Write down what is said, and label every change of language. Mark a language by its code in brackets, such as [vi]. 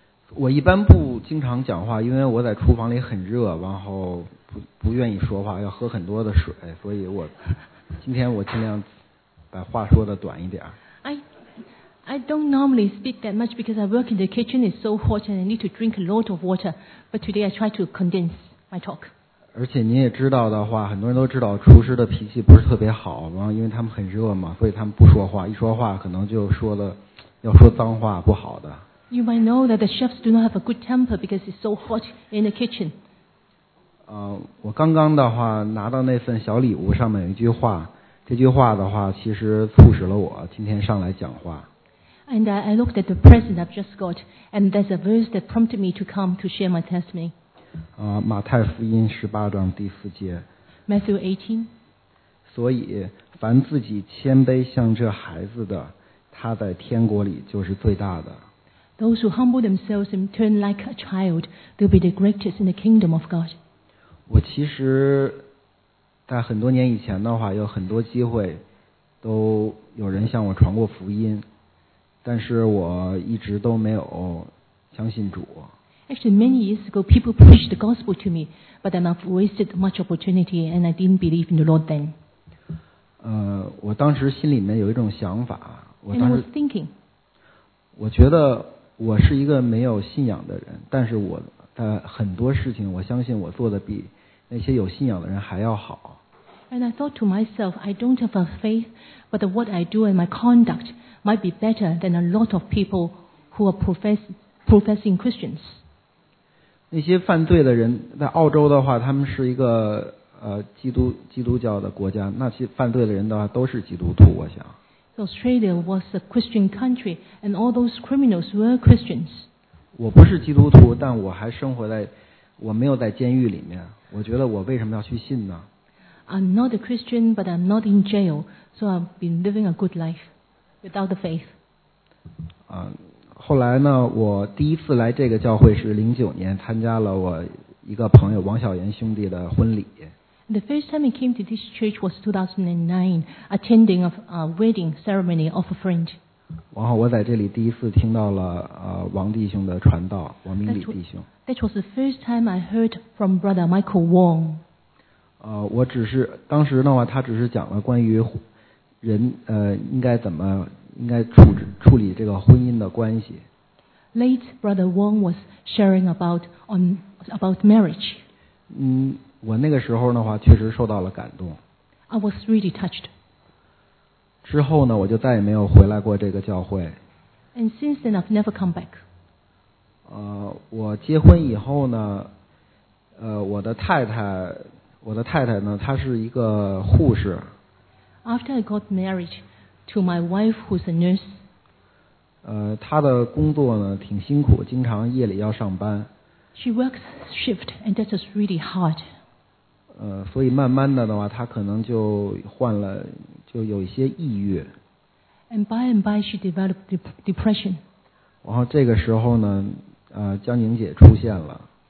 [zh] 我一般不经常讲话，因为我在厨房里很热，然后不愿意说话，要喝很多的水，所以我今天我尽量把话说的短一点。 [en] I don't normally speak that much because I work in the kitchen, it's so hot and I need to drink a lot of water. But today I try to condense my talk. [zh] 而且您也知道的话，很多人都知道厨师的脾气不是特别好，然后因为他们很热嘛，所以他们不说话，一说话可能就说了要说脏话不好的。 [en] You might know that the chefs do not have a good temper because it's so hot in the kitchen. [zh] 我刚刚的话拿到那份小礼物，上面有一句话，这句话的话其实促使了我今天上来讲话。 [en] And I looked at the present I've just got, and there's a verse that prompted me to come to share my testimony. [zh] 马太福音十八章第四节。 [en] Matthew 18. [zh] 所以，凡自己谦卑像这孩子的，他在天国里就是最大的。 [en] Those who humble themselves and turn like a child, they'll be the greatest in the kingdom of God. [zh] 我其实在很多年以前的话，有很多机会都有人向我传过福音，但是我一直都没有相信主。 [en] Actually, many years ago, people preached the gospel to me, but then I've wasted much opportunity, and I didn't believe in the Lord then. [zh] 我当时心里面有一种想法，我当时 [en] And I was thinking. [zh] 我觉得我是一个没有信仰的人，但是我在很多事情，我相信我做的比那些有信仰的人还要好。 [en] And I thought to myself, I don't have a faith, but what I do and my conduct might be better than a lot of people who are professing Christians. [zh] 那些犯罪的人在澳洲的话，他们是一个基督教的国家，那些犯罪的人的话都是基督徒，我想。 [en] Australia was a Christian country, and all those criminals were Christians. [zh] 我不是基督徒，但我还生活在，我没有在监狱里面。我觉得我为什么要去信呢 [en] ？I'm not a Christian, but I'm not in jail, so I've been living a good life without the faith. [zh] 后来呢，我第一次来这个教会是09年，参加了我一个朋友王小岩兄弟的婚礼。 [en] The first time I came to this church was 2009, attending a wedding ceremony of a friend. [zh] 然后我在这里第一次听到了王弟兄的传道，王明礼弟兄。 [en] That was the first time I heard from Brother Michael Wong. [zh] 我只是当时的话，他只是讲了关于人应该怎么。应该处理这个婚姻的关系。 [en] Late Brother Wong was sharing about marriage. [zh] 我那个时候的话确实受到了感动。 [en] I was really touched. [zh] 之后呢，我就再也没有回来过这个教会。 [en] And since then, I've never come back. [zh] 我结婚以后呢，我的太太，呢，她是一个护士。 [en] After I got married to my wife, who's a nurse. [zh] 她的工作呢挺辛苦，经常夜里要上班。 [en] She works shift, and that is really hard. [zh] 所以慢慢的话，她可能就患了，就有一些抑郁。 [en] And by, she developed depression. [zh] 然后这个时候呢，江宁姐出现了。